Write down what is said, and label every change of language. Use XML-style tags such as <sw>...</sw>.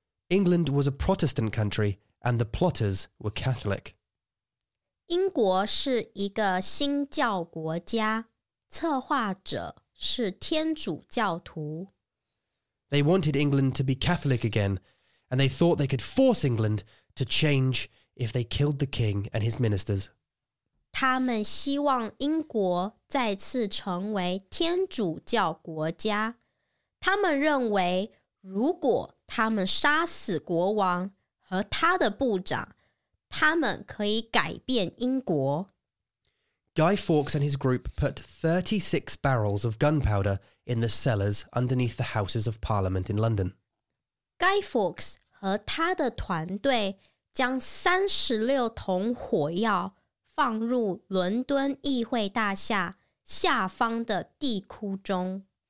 <en>England was a Protestant country, and the plotters were Catholic.</en> <zh>英国是一个新教国家，策划者是天主教徒。</zh> <en>They wanted England to be Catholic again, and they thought they could force England to change if they killed the king and his ministers.</en> <zh>他们希望英国再次成为天主教国家。他们认为如果他们杀死国王和他的部长，他们可以改变英国。</zh> <en>Guy Fawkes and his group put 36 barrels of gunpowder in the cellars underneath the Houses of Parliament in London.</en> <zh>Guy Fawkes 和他的团队将36桶火药放入伦敦议会大厦下方的地库中。</zh>